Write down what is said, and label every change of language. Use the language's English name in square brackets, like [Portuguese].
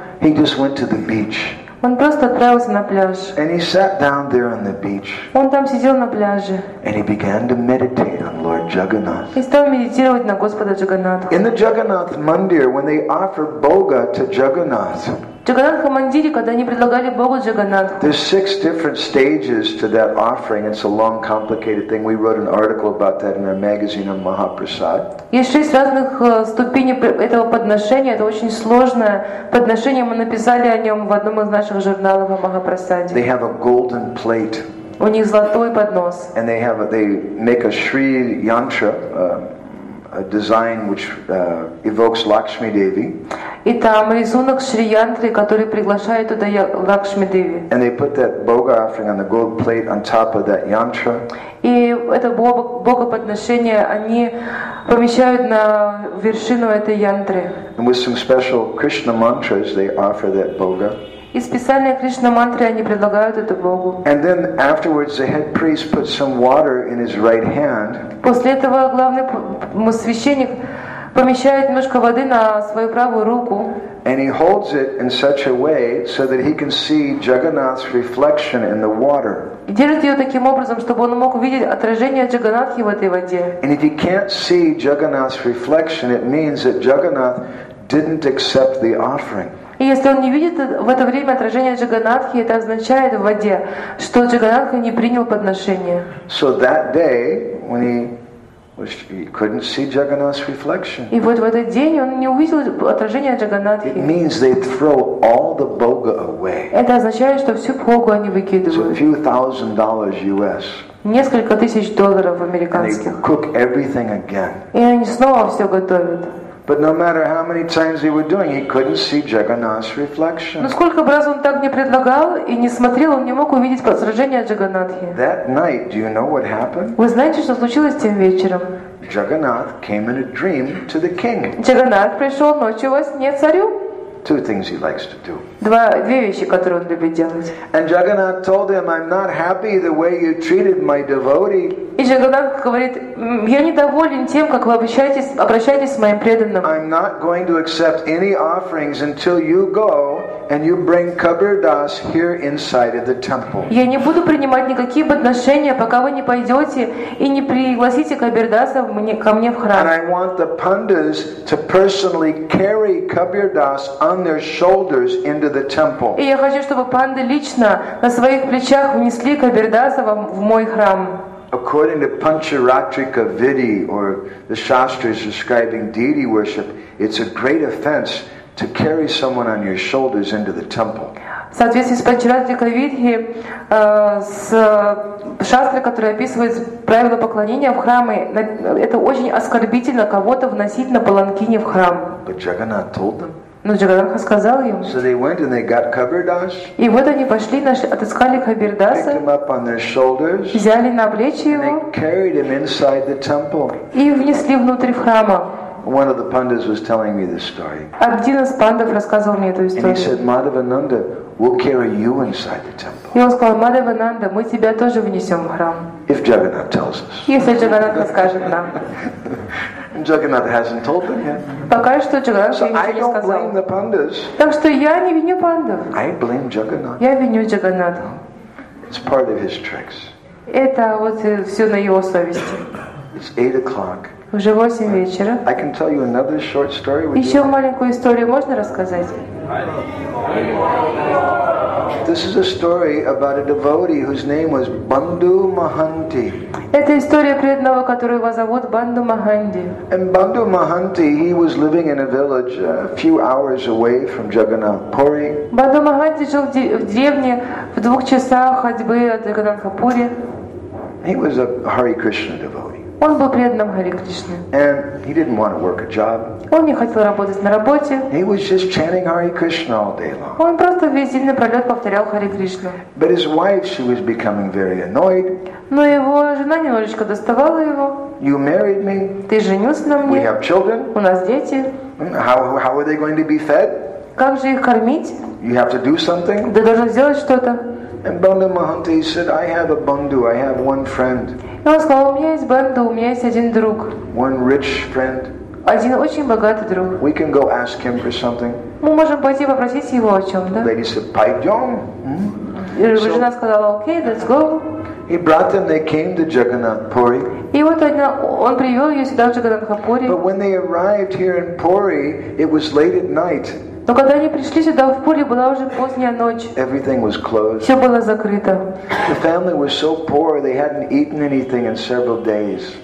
[English] He just went to the beach. [Russian] Он просто отправился на пляж. [English] And he sat down there on the beach. [Russian] Он там сидел на пляже. [English] And he began to meditate on Lord Jagannath. [Russian] И стал медитировать на Господа Джаганнатху. [English] In the Jagannath Mandir, when they offer boga to Jagannath. [Russian] Джаганнатха мандире, когда они предлагали богу Джаганнатху. [English] There's six different stages to that offering. It's a long, complicated thing. We wrote an article about that in our magazine on Mahaprasad. [Russian] Есть шесть разных ступеней этого подношения. Это очень сложное подношение. Мы написали о нем в одном из наших журналов о Махапрасаде. [English] They have a golden plate. [Russian] У них золотой поднос. [English] And they make a Shri Yantra. A design which evokes Lakshmi Devi. [Russian] И там рисунок Шри Янтры, который приглашает туда Лакшми Деви. [English] And they put that boga offering on the gold plate on top of that yantra. [Russian] И это богоподношение они помещают на вершину этой янтры. [English] And with some special Krishna mantras, they offer that boga. [Russian] И специальные Кришна мантры они предлагают это Богу. [English] And then afterwards, the head priest puts some water in his right hand. [Russian] После этого главный священник помещает немножко воды на свою правую руку. [English] And he holds it in such a way so that he can see Jagannath's reflection in the water. [Russian] И держит ее таким образом, чтобы он мог увидеть отражение Джаганнатхи в этой воде. [English] And if he can't see Jagannath's reflection, it means that Jagannath didn't accept the offering. [Russian] И если он не видит в это время отражение Джаганнатхи, это означает в воде, что Джаганнатха не принял подношение. [English] So that day, when he couldn't see Jagannath's reflection. [Russian] И вот в этот день он не увидел отражение Джаганнатхи. [English] It means they throw all the boga away. [Russian] Это означает, что всю богу они выкидывают. [English] So a few thousand dollars US. [Russian] Несколько тысяч долларов американских. [English] And they cook everything again. [Russian] И они снова все готовят. [English] But no matter how many times he was doing, he couldn't see Jagannath's reflection. [Russian] Но сколько раз он так не предлагал и не смотрел, он не мог увидеть отражение Джаганнатхи. [English] That night, do you know what happened? [Russian] Вы знаете, что случилось тем вечером? [English] Jagannath came in a dream to the king. [Russian] Джаганнат пришел ночью во сне царю. [English] Two things he likes to do. [Russian] Две вещи, которые он любит делать. [English] And Jagannath told him, "I'm not happy the way you treated my devotee." [Russian] И Джаганнат говорит, я недоволен тем, как вы обращаетесь с моим преданным. [English] I'm not going to accept any offerings until you go and you bring Kabir Das here inside of the temple. [Russian] Я не буду принимать никакие подношения, пока вы не пойдете и не пригласите Кабир Даса ко мне в храм. [English] And I want the pandas to personally carry Kabir Das on their shoulders into the temple. [Russian] И я хочу, чтобы панды лично на своих плечах внесли Кабир Даса в мой храм. [English] According to Pancharatrika Vidhi, or the Shastras describing deity worship, it's a great offense to carry someone on your shoulders into the temple. [Russian] В соответствии с Панчаратрикой Видхи, с шастрой, которая описывает правила поклонения в храме, это очень оскорбительно кого-то вносить на паланкине в храм. [English] But Jagannath told them. [Russian] Но Джагадарха сказал им. [English] So they went and they got Kabir Das. [Russian] И вот они пошли, отыскали Кабир Даса, [English] picked him up on their shoulders, [Russian] взяли на плечи его, [English] and they carried him inside the temple. [Russian] И внесли внутрь храма. [English] One of the pandas was telling me this story. [Russian] Один из пандов рассказывал мне эту историю. [English] And he said, Madhavananda, we'll carry you inside the temple. [Russian] И он сказал, Мадхавананда, мы тебя тоже внесем в храм. [English] If Jagannath tells us. [Russian] Если Джагаданд расскажет нам. [English] Jagannath hasn't told them yet. [Russian] Пока что Джагаданд им не сказал. [English] So I don't blame the pandas. [Russian] Так что я не виню пандов. [English] I blame Jagannath. [Russian] Я виню Джагаданда. [English] It's part of his tricks. [Russian] Это вот все на его совести. [English] It's 8 o'clock. [Russian] Уже 8 вечера. [English] I can tell you another short story. [Russian] Еще маленькую историю можно рассказать? [English] This is a story about a devotee whose name was Bandhu Mahanti. [Russian] Это история преданного, которого зовут Банду Маханти. [English] And Бандху Маханти, he was living in a village a few hours away from Jagannath Puri. [Russian] Банду Маханти жил в деревне в 2 часах ходьбы от Джаганнатха Пури. [English] He was a Hare Krishna devotee. [Russian] Он был преданным Харе Кришне. [English] And he didn't want to work a job. [Russian] Он не хотел работать на работе. [English] He was just chanting Hare Krishna all day long. [Russian] Он просто весь день напролет повторял Харе Кришну. [English] But his wife, she was becoming very annoyed. [Russian] Но его жена немножечко доставала его. [English] You married me. [Russian] Ты женился на мне. [English] We have children. [Russian] У нас дети. [English] How are they going to be fed? [Russian] Как же их кормить? [English] You have to do something. [Russian] Ты должен сделать что-то. [English] And Bandhu Mahanti said, I have a bandhu, I have one friend. [Russian] И он сказал, у меня есть банду, у меня есть один друг. [English] One rich friend. [Russian] Один очень богатый друг. [English] We can go ask him for something. [Russian] Мы можем пойти попросить его о чем-то. [English] Lady said, [Russian] пойдем. So, жена сказала, окей, [English] let's go. He brought them, they came to Jagannath Puri. [Russian] И вот он привел ее сюда, в Джагаданха Пури. [English] But when they arrived here in Puri, it was late at night. [Russian] Но когда они пришли сюда, в Пури была уже поздняя ночь. [English] Everything was closed. [Russian] Все было закрыто. [English] The family was so poor, they hadn't eaten anything in several days.